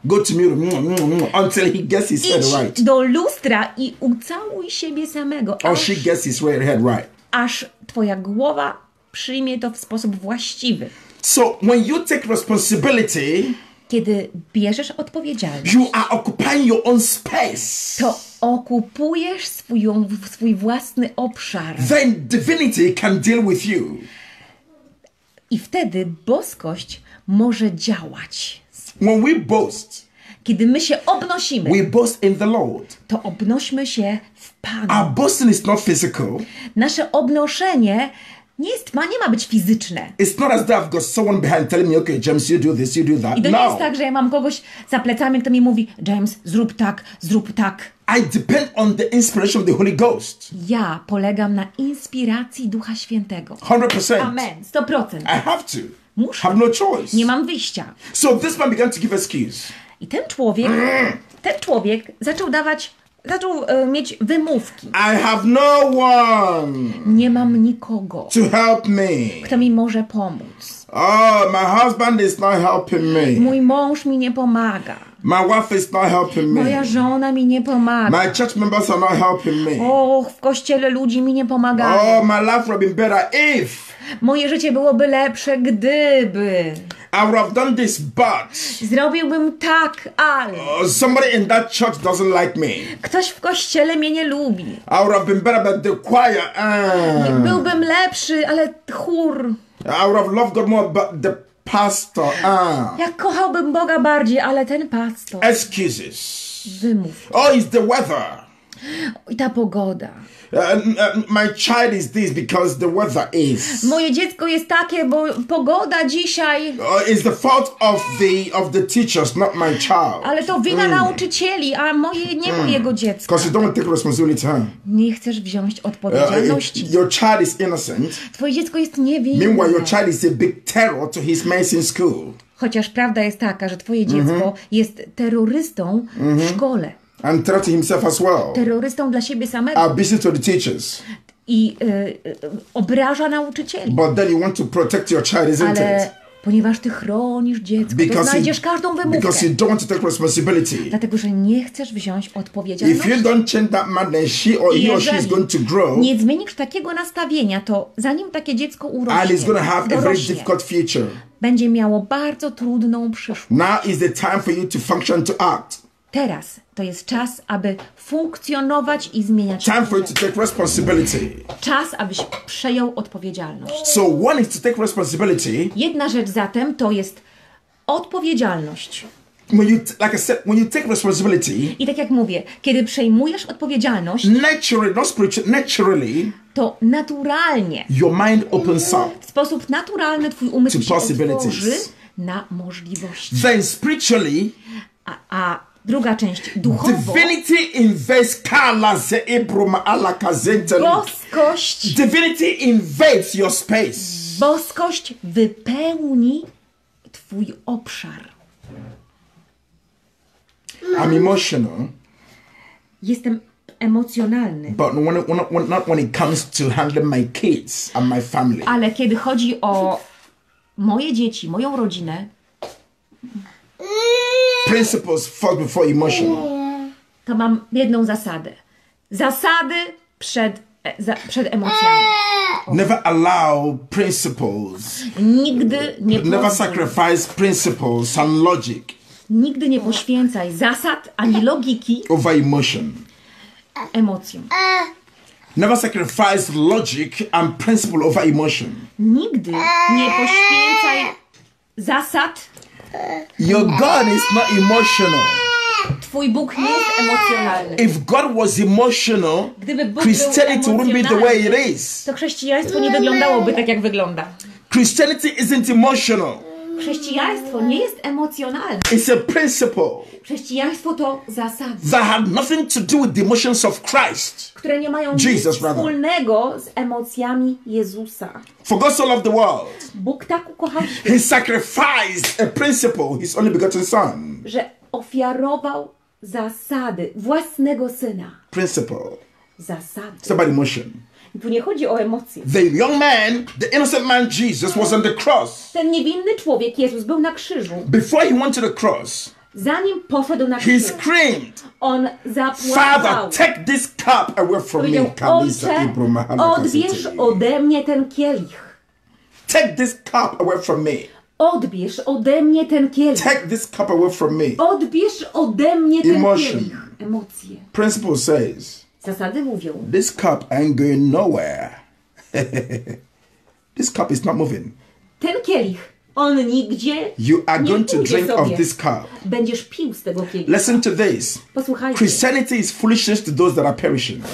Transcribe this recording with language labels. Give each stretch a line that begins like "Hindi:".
English: Go to mirror, until he gets his head right.
Polish: Idź do lustra i ucałuj siebie samego.
English: Or she gets his head right.
Polish: Aż twoja głowa przyjmie to w sposób właściwy.
English: So when you take responsibility,
Polish: kiedy bierzesz odpowiedzialność,
English: you are occupying your own space.
Polish: To okupujesz swój własny obszar.
English: Then divinity can deal with you.
Polish: I wtedy boskość może działać.
English: When we boast,
Polish: kiedy my się obnosimy,
English: we boast in the Lord.
Polish: To obnośmy się w Panu.
English: Our boasting is not physical.
Polish: Nasze obnoszenie nie ma być fizyczne.
English: It's not as though I've got someone behind telling me, okay, James, you do this, you do that.
Polish: I to nie jest tak, że ja mam kogoś za plecami, kto mi mówi, James, zrób tak, zrób tak.
English: I depend on the inspiration of the Holy Ghost.
Polish: Ja polegam na inspiracji Ducha Świętego.
English: 100%.
Polish: Amen. 100%.
English: I have to.
Polish: Muszę.
English: Have no choice.
Polish: Nie mam wyjścia.
English: So this man began to give excuse.
Polish: I ten człowiek zaczął dawać. Zaczął mieć wymówki.
English: I have no one.
Polish: Nie mam nikogo.
English: To help me.
Polish: Kto mi może pomóc?
English: Oh, my husband is not helping me.
Polish: Mój mąż mi nie pomaga.
English: My wife is not helping me.
Polish: Moja żona mi nie pomaga.
English: My church members are not helping me.
Polish: Och, w kościele ludzie mi nie pomagają.
English: Oh, my life would be better if.
Polish: Moje życie byłoby lepsze gdyby.
English: I would have done this, but.
Polish: Zrobiłbym tak, ale.
English: Somebody in that church doesn't like me.
Polish: Ktoś w kościele mnie nie lubi.
English: I would have been better, but the choir.
Polish: Byłbym lepszy, ale chór.
English: I would have loved God more, but the pastor.
Polish: Ja kochałbym Boga bardziej, ale ten pastor.
English: Excuses.
Polish: Wymów.
English: Oh, it's the weather.
Polish: I ta pogoda.
English: My child is this because the weather is.
Polish: Moje dziecko jest takie, bo pogoda dzisiaj.
English: It's the fault of the teachers, not my child.
Polish: Ale to wina nauczycieli, a moje nie mojego dziecka.
English: Because you don't take responsibility.
Polish: Nie chcesz wziąć odpowiedzialności.
English: Your child is innocent.
Polish: Twoje dziecko jest niewinne.
English: Meanwhile, your child is a big terror to his mates in school.
Polish: Chociaż prawda jest taka, że twoje dziecko jest terrorystą w szkole.
English: And threatening himself as well.
Polish: Terrorystą dla siebie samego.
English: Abusing to the teachers.
Polish: I obraża nauczycieli.
English: But then you want to protect your child, isn't
Polish: Ale
English: it?
Polish: Ponieważ ty chronisz dziecko, because to znajdziesz każdą wymówkę.
English: Because you don't want to take responsibility.
Polish: Dlatego, że nie chcesz wziąć odpowiedzialności.
English: If you don't change that mind, then she or he or she is going to grow.
Polish: Nie zmienisz takiego nastawienia, to zanim takie dziecko urośnie,
English: and it's going to have a very difficult future.
Polish: Będzie miało bardzo trudną przyszłość.
English: Now is the time for you to function, to act.
Polish: Teraz to jest czas, aby funkcjonować i zmieniać.
English: Time for you to take responsibility.
Polish: Czas, abyś przejął odpowiedzialność.
English: So one is to take responsibility.
Polish: Jedna rzecz zatem to jest odpowiedzialność.
English: When you, like I said, when you take responsibility.
Polish: I tak jak mówię, kiedy przejmujesz odpowiedzialność.
English: Naturally, not spiritually, naturally.
Polish: To naturalnie.
English: Your mind opens up.
Polish: W sposób naturalny twój umysł się otworzy na możliwości.
English: Then spiritually.
Polish: A druga część, duchowo.
English: Divinity invades kala ze ibruma ala kazenta.
Polish: Boskość.
English: Divinity invades your space.
Polish: Boskość wypełni twój obszar.
English: I'm emotional.
Polish: Jestem emocjonalny.
English: But not when it comes to handling my kids and my family.
Polish: Ale kiedy chodzi o moje dzieci, moją rodzinę.
English: Principles first before emotion.
Polish: To mam jedną zasadę. Zasady przed emocjami.
English: Never allow principles.
Polish: Nigdy nie poświęcaj.
English: Never sacrifice principles and logic.
Polish: Nigdy nie poświęcaj zasad ani logiki
English: over emotion.
Polish: emocją.
English: Never sacrifice logic and principle over emotion.
Polish: Nigdy nie poświęcaj zasad.
English: Your God is not emotional.
Polish: Twój Bóg nie jest emocjonalny.
English: If God was emotional, Christianity wouldn't be the way it is.
Polish: To chrześcijaństwo nie wyglądałoby tak, jak wygląda.
English: Christianity isn't emotional.
Polish: Chrześcijaństwo nie jest emocjonalne.
English: It's a principle.
Polish: Chrześcijaństwo to zasada.
English: That had nothing to do with the emotions of Christ.
Polish: Które nie mają Jesus, nic wspólnego z emocjami Jezusa.
English: For God so loved the world.
Polish: Bóg tak ukochał świat.
English: He sacrificed a principle, his only begotten son.
Polish: Że ofiarował zasady własnego syna.
English: Principle.
Polish: Zasady.
English: It's about emotion.
Polish: Tu nie chodzi o emocje.
English: The young man, the innocent man Jesus was on the cross.
Polish: Ten niewinny człowiek Jezus był na krzyżu.
English: Before he went to the cross.
Polish: Zanim poszedł na krzyż.
English: He screamed.
Polish: On zapłakał.
English: Father, take this cup away from me.
Polish: Odbierz ode mnie ten kielich.
English: Take this cup away from me.
Polish: Odbierz ode mnie ten kielich.
English: Take this cup away from me.
Polish: Odbierz ode mnie ten
English: emotion.
Polish: Kielich. Emocje.
English: Principle says.
Polish: Zasady mówią.
English: This cup ain't going nowhere. This cup is not moving.
Polish: Ten kielich, on nigdzie nie pójdzie.
English: You are going to drink
Polish: sobie
English: of this cup.
Polish: Będziesz pił z tego kielicha.
English: Listen to this.
Polish: Posłuchajcie.
English: Christianity is foolishness to those that are perishing.